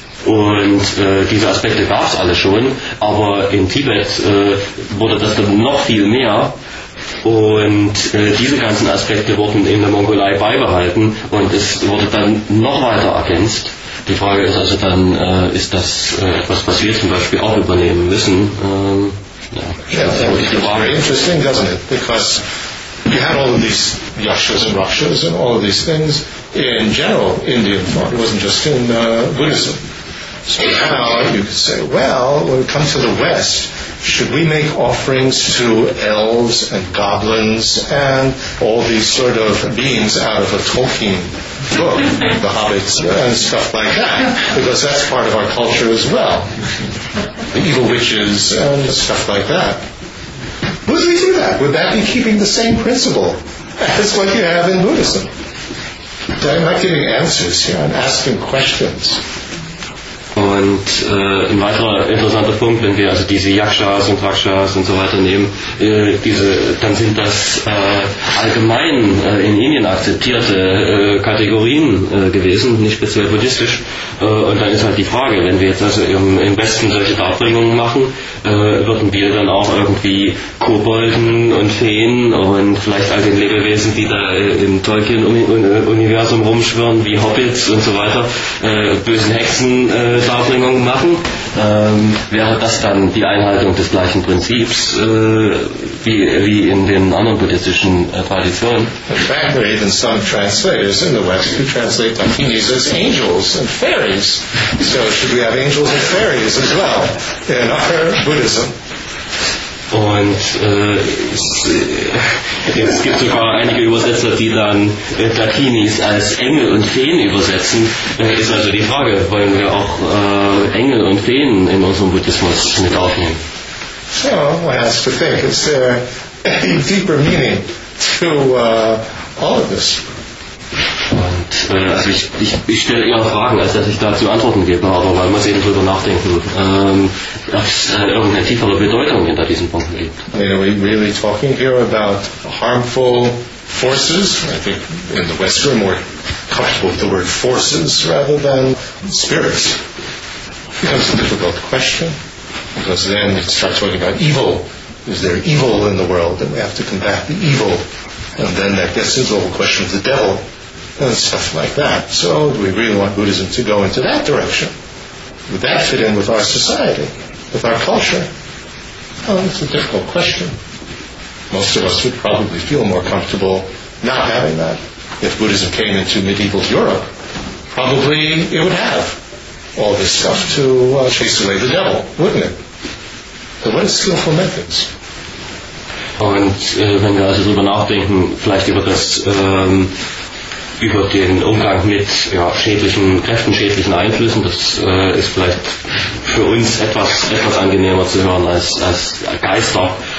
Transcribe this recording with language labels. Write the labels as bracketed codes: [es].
[de] Und diese Aspekte gab es alle schon, aber in Tibet wurde das dann noch viel mehr. Und diese ganzen Aspekte wurden in der Mongolei beibehalten und es wurde dann noch weiter ergänzt. Die Frage ist also dann, ist das etwas, was wir zum Beispiel auch übernehmen müssen? [en] Very interesting, doesn't it? Because you had all of these yashas and rakshas and all of these things in general Indian thought. It wasn't just in Buddhism. So now you could say, well, when it comes to the West, should we make offerings to elves and goblins and all these sort of beings out of a Tolkien book, The Hobbits and stuff like that? Because that's part of our culture as well. The evil witches and stuff like that. Would we do that? Would that be keeping the same principle as what you have in Buddhism? I'm not giving answers here, I'm asking questions. [de] Und ein weiterer interessanter Punkt, wenn wir also diese Yakshas und Rakshas und so weiter nehmen, dann sind das allgemein in Indien akzeptierte Kategorien gewesen, nicht speziell buddhistisch. Und dann ist halt die Frage, wenn wir jetzt also im Westen solche Darbringungen machen, würden wir dann auch irgendwie Kobolden und Feen und vielleicht all den Lebewesen, die da im Tolkien-Universum rumschwirren, wie Hobbits und so weiter, bösen Hexen Selbstauflenkung machen, wäre das dann die Einhaltung des gleichen Prinzips wie in den anderen buddhistischen Traditionen? [en] In fact, there are even some translators in the West who translate Dakinis as angels and fairies. So should we have angels and fairies as well in our Buddhism? [de] Und es gibt sogar einige Übersetzer, die dann Dakinis als Engel und Feen übersetzen. Ist also die Frage, wollen wir auch Engel und Feen in unserem Buddhismus mit aufnehmen? [en] So, one has to think, is there a deeper meaning to all of this? [de] Und also ich stelle eher Fragen, als dass ich dazu Antworten gebe, aber weil man sich eben drüber nachdenken, ob es irgendeine tiefere Bedeutung hinter diesen Punkten gibt. [en] Are we really talking here about harmful forces? I think in the Western we're comfortable with the word forces rather than spirits. Becomes a difficult question, because then it starts talking about evil. Is there evil in the world that we have to combat the evil? And then that gets into the whole question of the devil and stuff like that. So do we really want Buddhism to go into that direction? Would that fit in with our society, with our culture? Well, it's a difficult question. Most of us would probably feel more comfortable not having that. If Buddhism came into medieval Europe, probably it would have all this stuff to chase away the devil, wouldn't it? But what are skillful methods? [de] Und wenn wir also darüber nachdenken, vielleicht über das über den Umgang mit schädlichen Kräften, schädlichen Einflüssen, das ist vielleicht für uns etwas angenehmer zu hören als Geister.